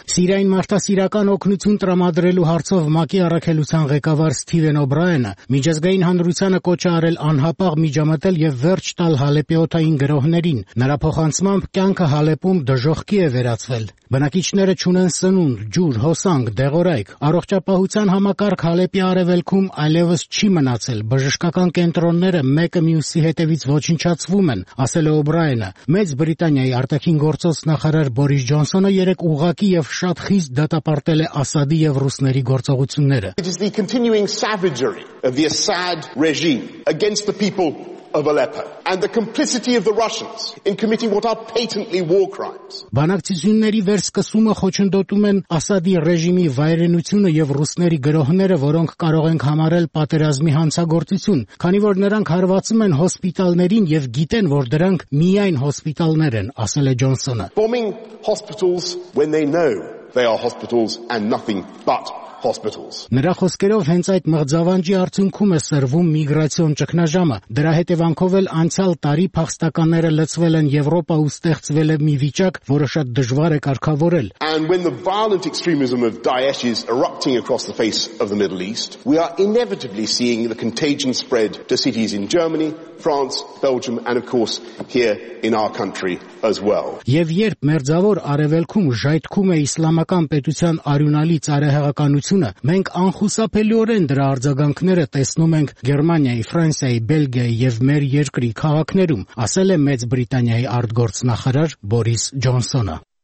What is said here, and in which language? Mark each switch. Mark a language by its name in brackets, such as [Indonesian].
[Armenian] Սիրիայի մարդասիրական օգնություն տրամադրելու հարցով ՄԱԿ-ի առաքելության ղեկավար Սթիվեն Օբրայանը միջազգային հանրությանը կոչ է արել անհապաղ միջամտել եւ վերջ տալ Հալեպի օթային գրոհներին։ Նրա փոխանցմամբ կյանքը Հալեպում դժոխքի է վերածվել։ Բնակիչները չունեն սնունդ, ջուր, հոսանք, դեղորայք։ Առողջապահության համակարգ Հալեպի արևելքում այլևս չի մնացել։ Բժշկական կենտրոնները մեկը մյուսի հետևից ոչնչացվում են, ասել է Օբրայանը։ Մեծ Բրիտանիայի արտաքին գործոց նախարար Բորիս Ջոնսոնը երեկ ուղղակի եւ շատ խիստ դատապարտել է Ասադի եւ ռուսների գործողությունները։ [English] It is the continuing savagery of the Assad regime against the people of Aleppo and the complicity of the Russians in committing what are patently war crimes. [Armenian] Բանակցությունների վերսկսումը խոչընդոտում են Ասադի ռեժիմի վայրենությունը եւ ռուսների գրոհները, որոնք կարող են համարել պատերազմի հանցագործություն, քանի որ նրանք հարվածում են հոսպիտալներին եւ գիտեն, որ դրանք միայն հոսպիտալներ են, ասել է Ջոնսոնը. [English] Bombing hospitals when they know they are hospitals and nothing but hospitals. [Armenian] Նրա խոսքերով հենց այդ մղձավանջի արդյունքում է սրվում միգրացիոն ճգնաժամը։ Դրա հետևանքով էլ անցյալ տարի փախստականները լցվել են Եվրոպա ու ստեղծվել է մի վիճակ, որը շատ դժվար է կարգավորել։ [English] And when the violent extremism of Daesh is erupting across the face of the Middle East, we are inevitably seeing the contagion spread to cities in Germany, France, Belgium and of course here in our country as well. [Armenian] Եվ երբ մերձավոր արևելքում ժայթքում է իսլամական պետության արյունալի ծայրահեղական նույնը, մենք անխուսափելիորեն դրա արձագանքները տեսնում ենք Գերմանիայի, Ֆրանսիայի, Բելգիայի եւ մեր երկրի քաղաքներում, ասել է Մեծ Բրիտանիայի արտգործնախարար Բորիս Ջոնսոնը։